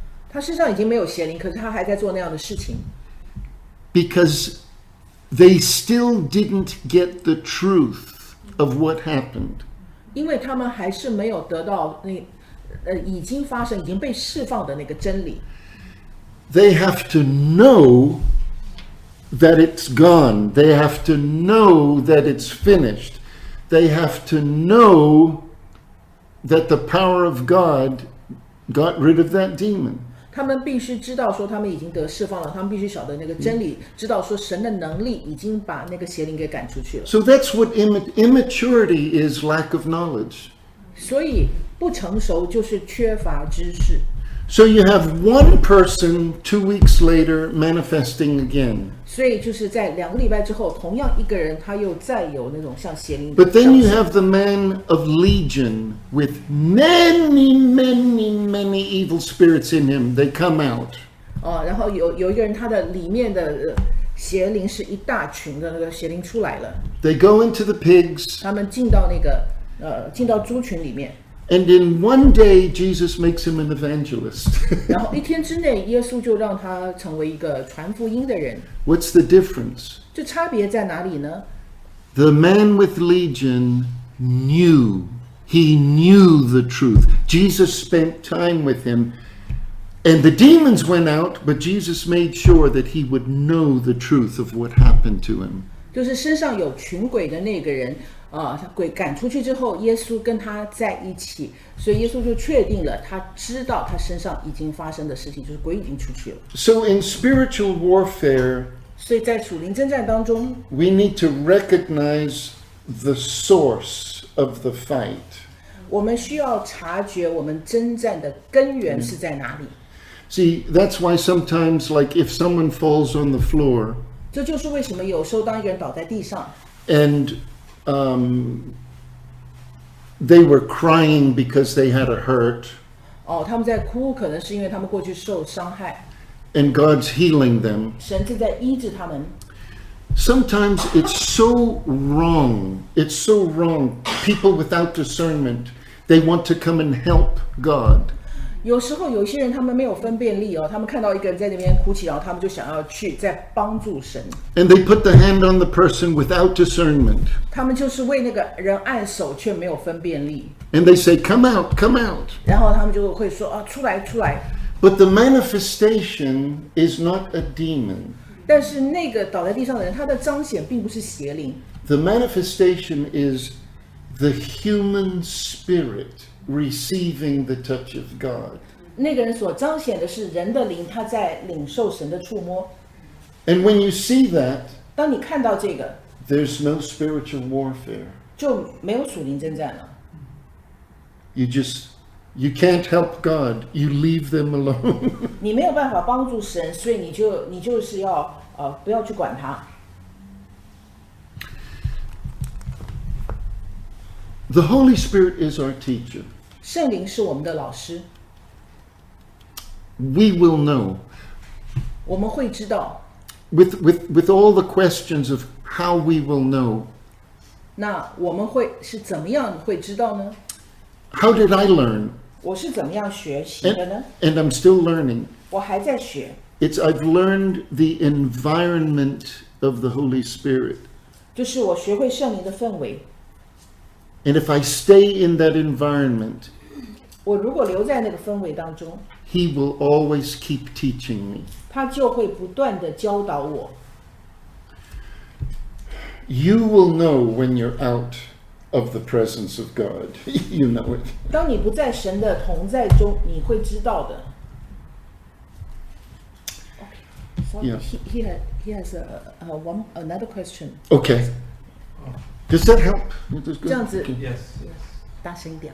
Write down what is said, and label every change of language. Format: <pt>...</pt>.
<zh>他身上已经没有邪灵，可是他还在做那样的事情。</zh> <en>Because they still didn't get the truth of what happened.</en> <zh>因为他们还是没有得到那已经发生、已经被释放的那个真理。</zh> <en>They have to know that it's gone. They have to know that it's finished. They have to know that the power of God got rid of that demon.</en> <zh>他们必须知道说他们已经得释放了，他们必须晓得那个真理，知道说神的能力已经把那个邪灵给赶出去了。</zh> <en>So that's what immaturity is, lack of knowledge.</en> <zh>所以不成熟就是缺乏知识。</zh> <en>So you have one person 2 weeks later manifesting again.</en> <zh>所以就是在两个礼拜之后，同样一个人他又再有那种像邪灵。</zh> <en>But then you have the man of legion with many, many, many evil spirits in him. They come out.</en> <zh>哦，然后有一个人，他的里面的邪灵是一大群的那个邪灵出来了。</zh> <en>They go into the pigs.</en> <zh>他们进到那个进到猪群里面。</zh> <en>And in one day, Jesus makes him an evangelist.</en> <zh>然后一天之内，耶稣就让他成为一个传福音的人。</zh> <en>What's the difference?</en> <zh>这差别在哪里呢？</zh> <en>The man with legion knew. He knew the truth. Jesus spent time with him. And the demons went out, but Jesus made sure that he would know the truth of what happened to him.</en> <zh>就是身上有群鬼的那个人。鬼赶出去之后，耶稣跟他在一起，所以耶稣就确定了，他知道他身上已经发生的事情，就是鬼已经出去了。</zh> <en>So in spiritual warfare,</en> <zh>所以在属灵征战当中，</zh> <en>we need to recognize the source of the fight.</en> <zh>我们需要察觉我们征战的根源是在哪里。</zh> <en>See, that's why sometimes, like if someone falls on the floor,</en> <zh>这就是为什么有时候当一个人倒在地上，</zh> <en>andthey were crying because they had a hurt.</en> <zh>他们在哭，可能是因为他们过去受伤害。</zh> <en>And God's healing them.</en> <zh>神正在医治他们。</zh> <en>Sometimes it's so wrong. It's so wrong. People without discernment, they want to come and help God.</en> <zh>有时候有些人他们没有分辨力，他们看到一个人在那边哭泣，然后他们就想要去再帮助神。</zh> <en>And they put the hand on the person without discernment.</en> <zh>他们就是为那个人按手，却没有分辨力。</zh> <en>And they say, come out, come out.</en> <zh>然后他们就会说，出来，出来。</zh> <en>But the manifestation is not a demon.</en> <zh>但是那个倒在地上的人，他的彰显并不是邪灵。</zh> <en>The manifestation is the human spirit. Receiving the touch of God.</en> <zh>那个人所彰显的是人的灵，他在领受神的触摸。</zh> <en>And when you see that,</en> <zh>当你看到这个，</zh> <en>there's no spiritual warfare.</en> <zh>就没有属灵征战了。</zh> <en>You can't help God. You leave them alone.</en> <zh>你没有办法帮助神，所以你就是要不要去管他。</zh> <en>The Holy Spirit is our teacher.</en> <zh>圣灵是我们的老师。</zh> <en>We will know.</en> <zh>我们会知道。</zh> <en>With all the questions of how we will know.</en> <zh>那我们会是怎么样会知道呢？</zh> <en>How did I learn?</en> <zh>我是怎么样学习的呢？</zh> <en>And I'm still learning.</en> <zh>我还在学。</zh> <en>It's I've learned the environment of the Holy Spirit.</en> <zh>就是我学会圣灵的氛围。</zh> <en>And if I stay in that environment,</en> <zh>我如果留在那个氛围当中，</zh> <en>He will always keep teaching me.</en> <zh>他就会不断地教导我。</zh> <en>You will know when you're out of the presence of God. You know it.</en> <zh>当你不在神的同在中，你会知道的。</zh> <en>Okay. So he has another question. Okay. Does that help?</en> <zh>这样子</zh> <en>，yes，</en> <zh>大声一点</zh>